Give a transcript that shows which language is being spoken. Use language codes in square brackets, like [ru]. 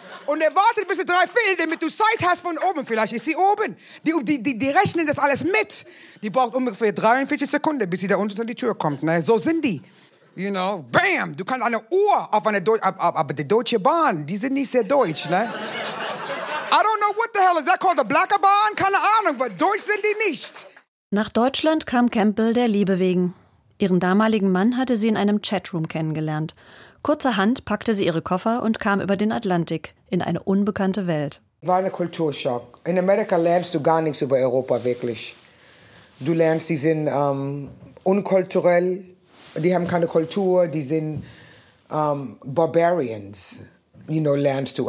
[de] Und er wartet, bis er drei Viertel, damit du Zeit hast von oben. Vielleicht ist sie oben. Die rechnen das alles mit. Die braucht ungefähr 43 Sekunden, bis sie da unten an die Tür kommt. Ne? So sind die. [en] You know, bam. [de] Du kannst eine Uhr auf eine Deutsche, aber die Deutsche Bahn, die sind nicht sehr deutsch. Ne? [en] I don't know what the hell is that called, the Black Bahn? [de] Keine Ahnung, weil deutsch sind die nicht. Nach Deutschland kam Campbell der Liebe wegen. Ihren damaligen Mann hatte sie in einem Chatroom kennengelernt. Kurzerhand packte sie ihre Koffer und kam über den Atlantik in eine unbekannte Welt. War ein Kulturschock. In Amerika lernst du gar nichts über Europa wirklich. Du lernst, die sind unkulturell, die haben keine Kultur, die sind Barbarians. [en] You know, [de] lernst du.